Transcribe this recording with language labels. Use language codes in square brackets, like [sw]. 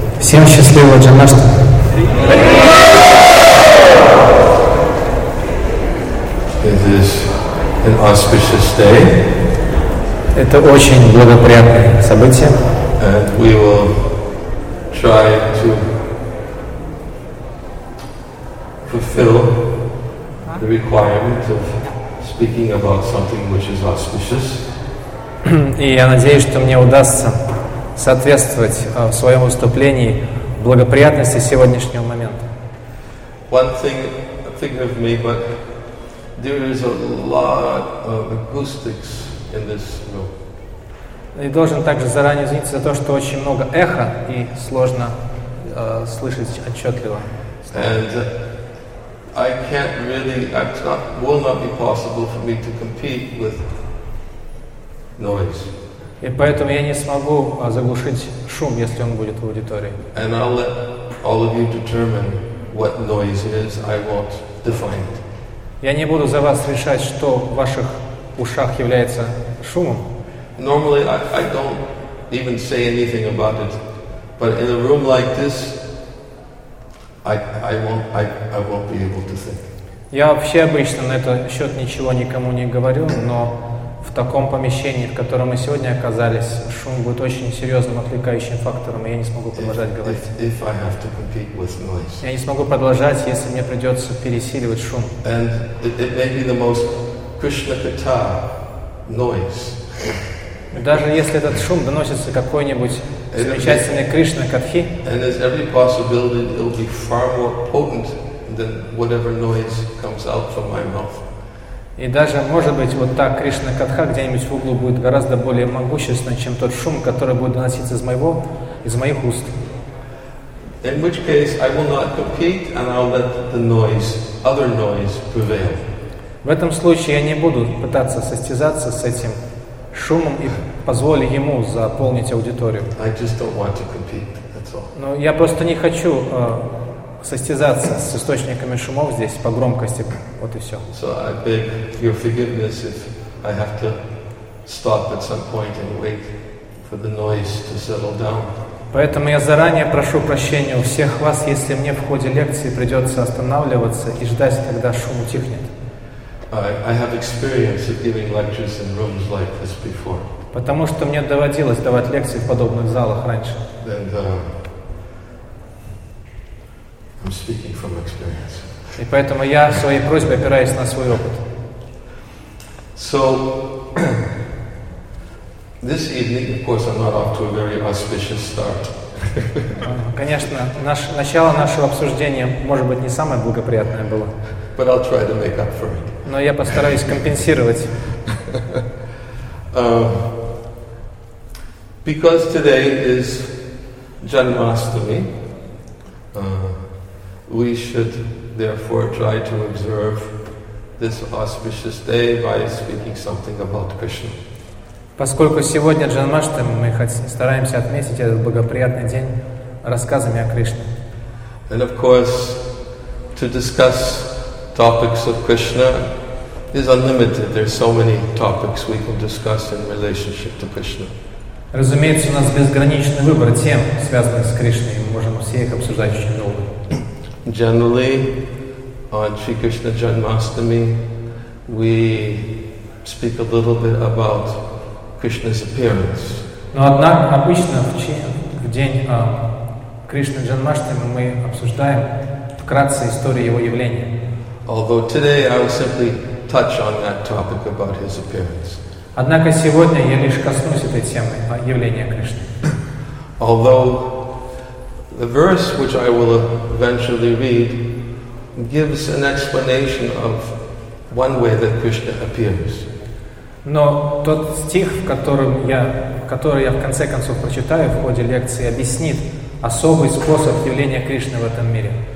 [ru] Всем счастливого Джанмаштами. [en] It is an auspicious day. [ru] Это очень благоприятное событие. [en] And we will try to fulfill the requirement of speaking about something which is auspicious. [ru] И я надеюсь, что мне удастся соответствовать в своем выступлении благоприятности сегодняшнего момента. [en] One thing, think of me, but there is a lot of acoustics in this room. [ru] И должен также заранее извиниться за то, что очень много эхо и сложно слышать отчетливо. [en] And I can't really, will not be possible for me to compete with noise. [ru] И поэтому я не смогу заглушить шум, если он будет в аудитории. [en] And I'll let all of you determine what noise is. I won't define it. [ru] Я не буду за вас решать, что в ваших ушах является шумом. [en] Normally I don't even say anything about it, but in a room like this, I won't be able to think. [ru] Я вообще обычно на этот счет ничего никому не говорю, но в таком помещении, в котором мы сегодня оказались, шум будет очень серьезным отвлекающим фактором, и я не смогу продолжать говорить. [en] If I have to compete with noise. [ru] Я не смогу продолжать, если мне придется пересиливать шум. [en] And it may be the most Krishna Katha noise. [ru] Даже если этот шум доносится какой-нибудь замечательной Кришна Катхи, [en] and there's every possibility it will be far more potent than whatever noise comes out from my mouth. [ru] И даже, может быть, вот так Кришна Катха где-нибудь в углу будет гораздо более могущественна, чем тот шум, который будет доноситься из моих уст. [en] In which case I will not compete and I'll let the noise, other noise, prevail. [ru] В этом случае я не буду пытаться состязаться с этим шумом и позволю ему заполнить аудиторию. [en] I just don't want to compete, that's all. [ru] Но я просто не хочу состязаться с источниками шумов здесь по громкости, вот и все. [en] So I beg your forgiveness if I have to stop at some point and wait for the noise to settle down. [ru] Поэтому я заранее прошу прощения у всех вас, если мне в ходе лекции придется останавливаться и ждать, когда шум утихнет. [en] I have experience of giving lectures in rooms like this before. [ru] Потому что мне доводилось давать лекции в подобных залах раньше. [en] I'm speaking from experience. [ru] И поэтому я в своей просьбе опираюсь на свой опыт. [en] So this evening, of course, I'm not off to a very auspicious start. [ru] Конечно, начало нашего обсуждения, может быть, не самое благоприятное было. [en] But I'll try to make up for it. [ru] Но я постараюсь компенсировать. [en] Because today is Janmashtami. We should therefore try to observe this auspicious day by speaking something about Krishna. [ru] Поскольку сегодня Джанмаштами, мы стараемся отметить этот благоприятный день рассказами о Кришне. [en] And of course, to discuss topics of Krishna is unlimited. There are so many topics we can discuss in relationship to Krishna. [ru] Разумеется, у нас безграничный выбор тем, связанных с Кришной, и мы можем все их обсуждать очень долго. [en] Generally, on Sri Krishna Janmashtami, we speak a little bit about Krishna's appearance. [ru] Но однако обычно в день Кришны Джанмаштами мы обсуждаем вкратце историю его явления. [en] Although today I will simply touch on that topic about his appearance. [ru] Однако сегодня я лишь коснусь этой темы явления Кришны. [en] Although the verse which I will eventually read gives an explanation of one way that Krishna appears. [ru] Но тот стих, который я в конце концов прочитаю в ходе лекции, объяснит особый способ явления Кришны в этом мире.